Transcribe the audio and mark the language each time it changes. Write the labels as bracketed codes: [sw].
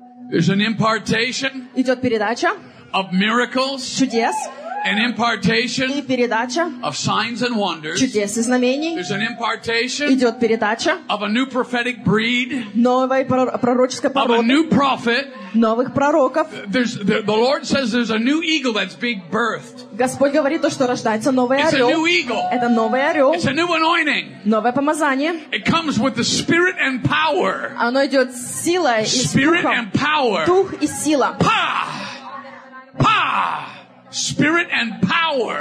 [en] There's an impartation. [ru] Идет передача. [en] Of miracles. [ru] Чудес. [en] An impartation [ru] и передача [en] of signs and wonders. [ru] Чудес и знамений. [en] There's an impartation [ru] идет передача [en] of a new prophetic breed. [ru] Новой пророческой породы. [en] Of a new prophet. [ru] Новых пророков. [en] The Lord says there's a new eagle that's being birthed. [ru] Господь говорит то, что рождается новый [en] it's [ru] орел. [en] It's a new eagle. [ru] Это новый орел. [en] It's a new anointing. [ru] Новое помазание. [en] It comes with the spirit and power. [ru] Оно идет с силой и [en] spirit [ru] с духом. [en] And power. [ru] Дух и сила. [en] Па! Па! Spirit and power.